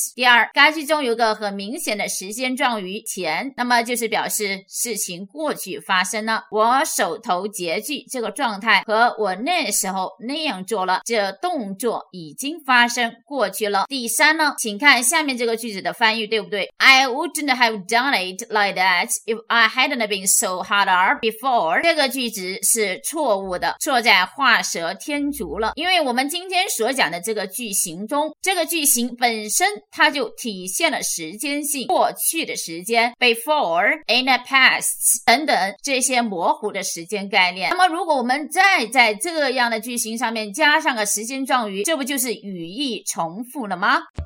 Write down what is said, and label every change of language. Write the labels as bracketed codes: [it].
[zh] 第二，该句中有个很明显的时间状语前，那么就是表示事情过去发生了。我手头拮据这个状态和我那时候那样做了，这动作已经发生过去了。第三呢，请看下面这个句子的翻译，对不对？ [en] I wouldn't have done it like that if I hadn't been so hard up before. [zh] 这个句子是错误的，错在画蛇添足了。因为我们今天所讲的这个句型中，这个句型本身它就体现了时间性，过去的时间 [en] before, in the past [zh] 等等这些模糊的时间概念。那么如果我们再在这样的句型上面加上个时间状语，这不就是语义重复了吗？